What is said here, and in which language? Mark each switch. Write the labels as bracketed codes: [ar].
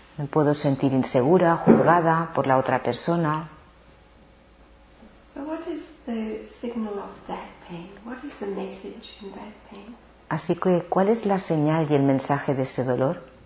[es] Me puedo sentir insegura, juzgada por la otra persona. [en] So what is the signal of that pain? What is the message in that pain? [es] Así que, ¿cuál es la señal y el mensaje de ese dolor?